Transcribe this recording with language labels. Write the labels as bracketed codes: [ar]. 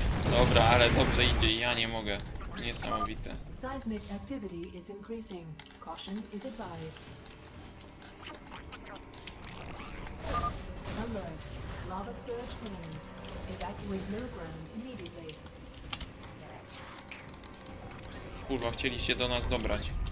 [pl] Dobra, ale dobrze idzie, ja nie mogę. Niesamowite. [en] Seismic activity is increasing. Caution is advised. Alert. Lava surge imminent. Evacuate low ground immediately. [pl] Kurwa, chcieli się do nas dobrać.